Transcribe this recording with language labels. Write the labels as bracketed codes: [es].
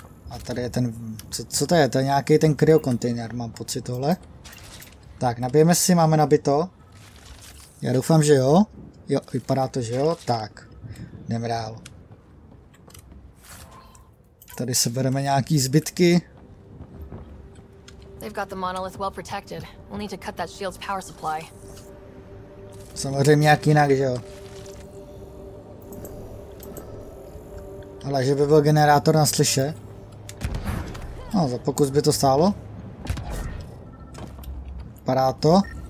[cs] A tady je ten, co to je, to je nějaký ten kryokontejner, mám pocit tohle. Tak, nabijeme si, máme nabito. Já doufám, že jo. Jo, vypadá to, že jo, tak. Jdeme dál. Tady se bereme nějaký zbytky. [en] They've got the monolith well protected. We'll need to cut that shield's power supply. [cs] Samozřejmě nějak jinak, že jo. Ale že by byl generátor na slyše. No, za pokus by to stálo. Vypadá to.